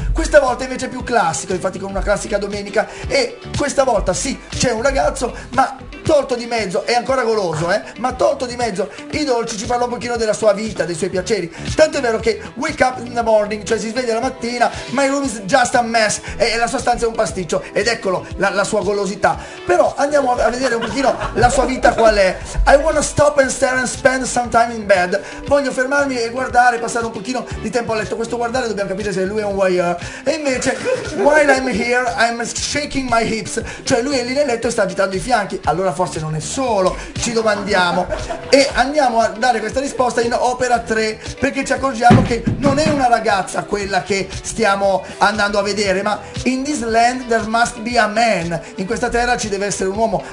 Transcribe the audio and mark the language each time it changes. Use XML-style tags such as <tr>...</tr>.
<it>Questa volta invece è più classico, infatti con una classica domenica. E questa volta sì, c'è un ragazzo, ma tolto di mezzo, è ancora goloso, ma tolto di mezzo i dolci, ci parla un pochino della sua vita, dei suoi piaceri. Tanto è vero che</it> <en>wake up in the morning,</en> <it>cioè si sveglia la mattina,</it> <en>my room is just a mess,</en> <it>e la sua stanza è un pasticcio, ed eccolo la sua golosità. Però andiamo a vedere un pochino la sua vita qual è.</it> <en>I wanna stop and stare and spend some time in bed.</en> <it>Voglio fermarmi e guardare, passare un pochino di tempo a letto. Questo guardare dobbiamo capire se lui è un voyeur. E invece,</it> <en>while I'm here, I'm shaking my hips,</en> <it>cioè lui è lì nel letto e sta agitando i fianchi. Allora forse non è solo, ci domandiamo, e andiamo a dare questa risposta in opera 3, perché ci accorgiamo che non è una ragazza quella che stiamo andando a vedere, ma</it> <en>in this land there must be a man,</en> <it>in questa terra ci deve essere un uomo.</it>